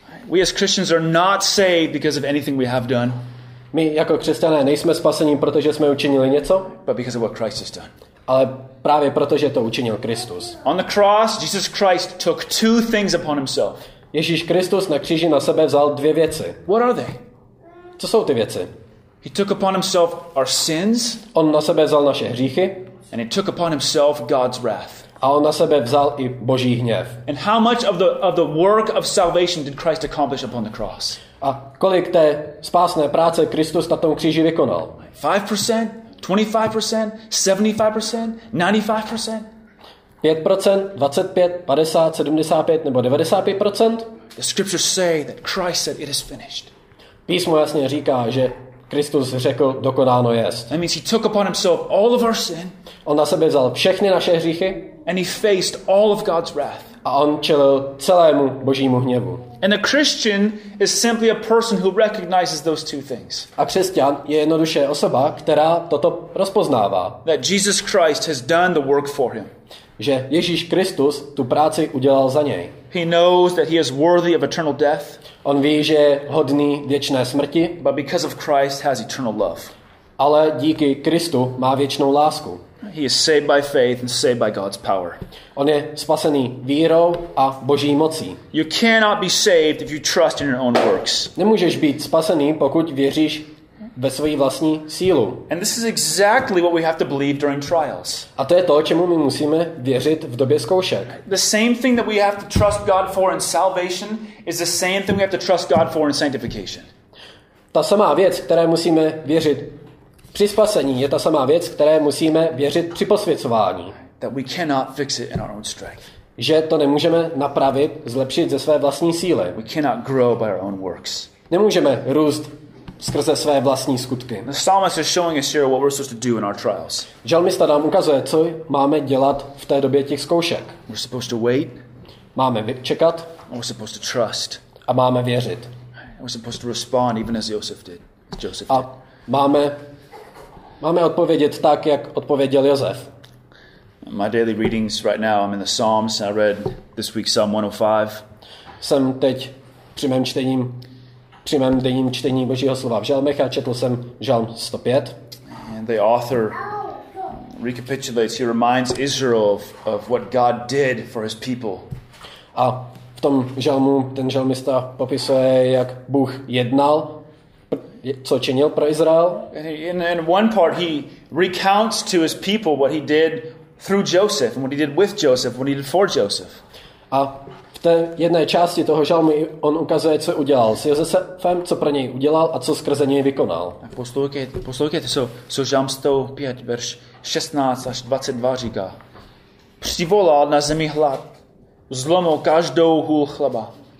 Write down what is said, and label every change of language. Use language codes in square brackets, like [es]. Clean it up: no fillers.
[en] We as Christians are not saved because of anything we have done. [cs] My jako křesťané nejsme spasení, protože jsme učinili něco. [en] But because of what Christ has done. [cs] Ale právě proto, že to učinil Kristus. [en] On the cross, Jesus Christ took two things upon himself. [cs] Ježíš Kristus na kříži na sebe vzal dvě věci. [en] What are they? [cs] Co jsou ty věci? [en] He took upon himself our sins. [cs] On na sebe vzal naše hříchy. [en] And he took upon himself God's wrath. [cs] A on na sebe vzal i Boží hněv. [en] And how much of the work of salvation did Christ accomplish upon the cross? [cs] A kolik té spásné práce Kristus na tom kříži vykonal? [en] 5%? 25%, 75%, 95%. [cs] 5%, 25, 50, 75 nebo 95%. [en] The scriptures say that Christ said it is finished. [cs] Písmo jasně říká, že Kristus řekl, dokonáno jest. [en] That means he took upon himself all of our sin. [cs] On na sebe vzal všechny naše hříchy. [en] And he faced all of God's wrath. [cs] A on čelil celému Božímu hněvu. [en] And a Christian is simply a person who recognizes those two things. [cs] A křesťan je jednoduše osoba, která toto rozpoznává. [en] That Jesus Christ has done the work for him. [cs] Že Ježíš Kristus tu práci udělal za něj. [en] He knows that he is worthy of eternal death. [cs] On ví, že je hodný věčné smrti. [en] But because of Christ has eternal love. [cs] Ale díky Kristu má věčnou lásku. [en] He is saved by faith and saved by God's power. [cs] On je spasený vírou a Boží mocí. [en] You cannot be saved if you trust in your own works. [cs] Nemůžeš být spasený, pokud věříš ve svoji vlastní sílu. [en] And this is exactly what we have to believe during trials. [cs] A to je to, čemu my musíme věřit v době zkoušek. [en] The same thing that we have to trust God for in salvation is the same thing we have to trust God for in sanctification. [cs] Ta samá věc, které musíme věřit při spasení, je ta samá věc, které musíme věřit při posvěcování. [en] That we cannot fix it in our own strength. [cs] Že to nemůžeme napravit, zlepšit ze své vlastní síly. [en] We cannot grow by our own works. [cs] Nemůžeme růst skrze své vlastní skutky. [en] The psalmist is showing us here what we're supposed to do in our trials. [cs] Žalmista nám ukazuje, co máme dělat v té době těch zkoušek. [en] We're supposed to wait. [cs] Máme čekat. [en] And we're supposed to trust. [cs] A máme věřit. [en] And we're supposed to respond even as Joseph did. [cs] A máme odpovědět tak, jak odpověděl Josef. [en] My daily readings right now, I'm in the Psalms. I read this week Psalm 105. [cs] Jsem teď při mém denním čtení Božího slova v Žalmech a četl jsem Žalm 105. [en] And the author recapitulates, he reminds Israel of what God did for his people. [cs] A v tom žalmu ten žalmista popisuje, jak Bůh jednal, co činil pro Izrael. [en] In one part he recounts to his people what he did through Joseph and what he did with Joseph, what he did for Joseph. [cs] A v té jedné části toho žalmu on ukazuje, co udělal s Josefem, co pro něj udělal a co skrze něj vykonal. Poslouchejte, co žalm 105, verš 16 až 22 říká. Přivolal na zemi hlad, zlomil každou hůl chleba.